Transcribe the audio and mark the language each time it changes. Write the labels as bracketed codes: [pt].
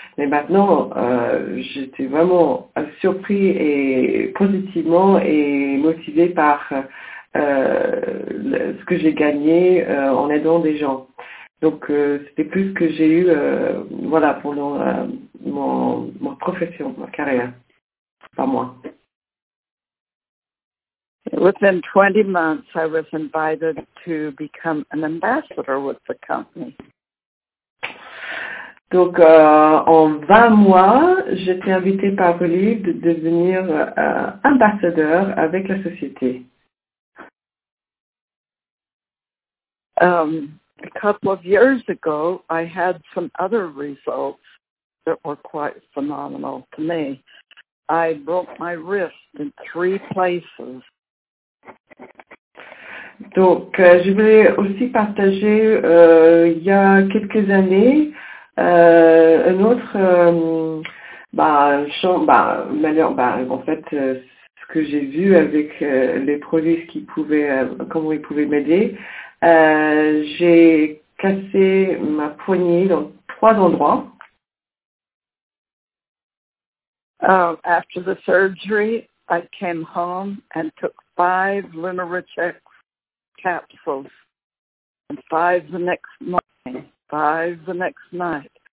[fr] Mais maintenant, j'étais vraiment surpris et positivement et motivée par ce que j'ai gagné en aidant des gens. Donc, c'était plus que j'ai eu voilà, pendant mon profession, ma carrière, pas moi. [en] Within 20 months, I was invited to become an ambassador with the company. [fr] Donc, en 20 mois, j'étais invitée par Olive de devenir ambassadeur avec la société. [en] A couple of years ago, I had some other results that were quite phenomenal to me. I broke my wrist in 3 places. [fr] Donc, je voulais aussi partager, il y a quelques années, ce que j'ai vu avec les produits, comment ils pouvaient m'aider, j'ai cassé ma poignée dans 3 endroits. [en] After the surgery, I came home and took 5 Lunarichex capsules, and 5 the next morning, 5 the next night.